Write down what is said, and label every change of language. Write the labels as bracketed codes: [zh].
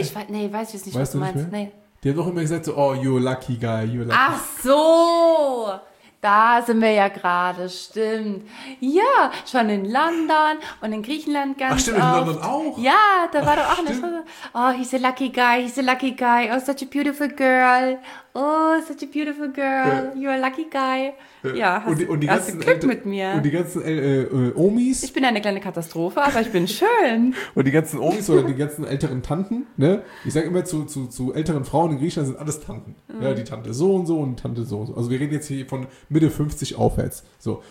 [de] ja. Weiß ich jetzt nicht, was du nicht meinst. Mehr? Nee. Die haben doch immer gesagt, so, [en] oh, you're lucky guy, you're lucky. [de] Ach so! Da sind wir ja gerade, stimmt. Ja, schon in London und in Griechenland ganz oft. Ach stimmt, in London auch? Ja, da war doch auch eine Schule. [en] Oh, he's a lucky guy. Oh, such a beautiful girl. Oh, such a beautiful girl. You're a lucky guy. [de] Ja, hast du Glück mit mir. Und die ganzen Omis? Ich bin eine kleine Katastrophe, aber ich bin schön. Und die ganzen Omis oder die ganzen älteren Tanten, ne? Ich sage immer zu älteren Frauen in Griechenland sind alles Tanten. Mhm. Ja, die Tante so und so und Tante so und so. Also wir reden jetzt hier von Mitte 50 aufwärts. So.